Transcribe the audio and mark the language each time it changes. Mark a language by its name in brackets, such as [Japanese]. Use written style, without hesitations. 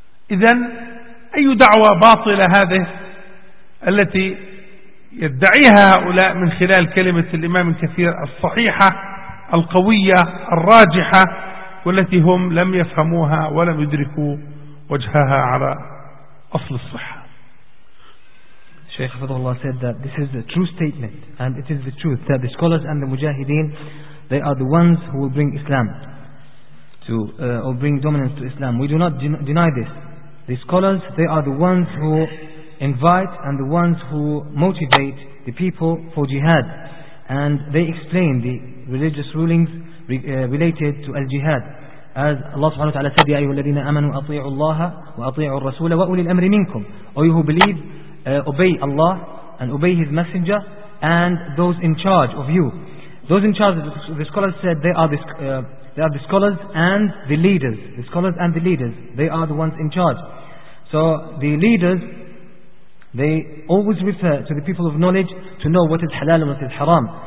[Arabic] إذن أي دعوة باطلة هذه التي يدعيها هؤلاء من خلال كلمة الإمام الكثير الصحيحة القوية الراجحة والتي هم لم يفهموها ولم يدركوا وجهها على أصل الصحة. [English] Shaykh Fadullah said that this is a true statement and it is the truth that the scholars and the mujahideen, they are the ones who will bring Islam to or bring dominance to Islam. We do not deny this. The scholars, they are the ones who invite and the ones who motivate the people for jihad, and they explain the religious rulings related to al-jihad. As Allah subhanahu wa ta'ala said, [Arabic] يَا أَيُّهُ الَّذِينَ آمَنُوا أَطِيعُوا اللَّهَ وَأَطِيعُوا الرَّسُولَ وَأُولِي الْأَمْرِ مِنْكُمْ. [English] O you who believe, obey Allah and obey His Messenger and those in charge of you. Those in charge, the scholars said, they are the scholars and the leaders. The scholars and the leaders, they are the ones in charge. So the leaders, they always refer to the people of knowledge to know what is halal and what is haram.